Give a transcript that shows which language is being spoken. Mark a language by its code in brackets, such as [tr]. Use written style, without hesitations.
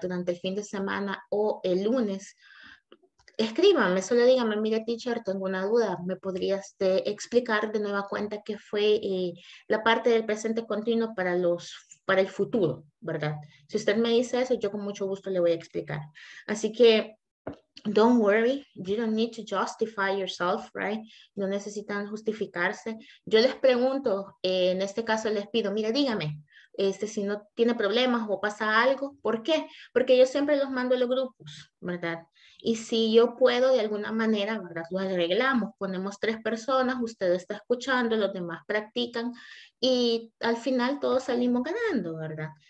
[es] Durante el fin de semana o el lunes, escríbanme, solo díganme, mire, teacher, tengo una duda, ¿me podrías explicar de nueva cuenta qué fue la parte del presente continuo para el futuro, ¿verdad? Si usted me dice eso, yo con mucho gusto le voy a explicar. Así que, [en] don't worry, you don't need to justify yourself, right? [es] No necesitan justificarse. Yo les pregunto, en este caso les pido, mire, dígame, si no tiene problemas o pasa algo, ¿por qué? Porque yo siempre los mando a los grupos, ¿verdad? Y si yo puedo de alguna manera, ¿verdad? Lo arreglamos, ponemos 3 personas, usted está escuchando, los demás practican y al final todos salimos ganando, ¿verdad?